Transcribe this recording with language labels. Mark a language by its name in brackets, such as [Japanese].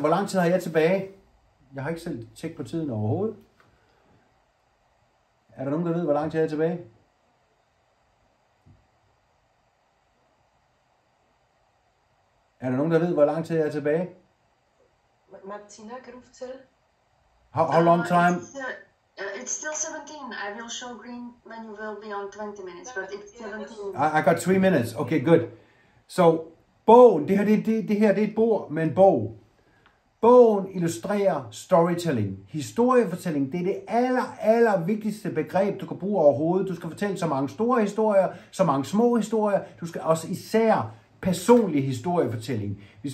[Danish] Hvor lang tid har jeg tilbage? Jeg har ikke selv tjekket på tiden overhovedet. Er der nogen, der ved, hvor lang tid jeg er tilbage? Er der nogen, der ved, hvor lang tid jeg er tilbage? Martina, kan du fortælle? [English] How long time? It's still 17. I will show green when you will be on 20 minutes, but it's 17. I got 3 minutes. Okay, good. [Danish] So, bogen, det her det er et bord med en bog. Bogen illustrerer storytelling. Historiefortælling, det er det aller vigtigste begreb, du kan bruge overhovedet. Du skal fortælle så mange store historier, så mange små historier. Du skal også især personlig historiefortælling.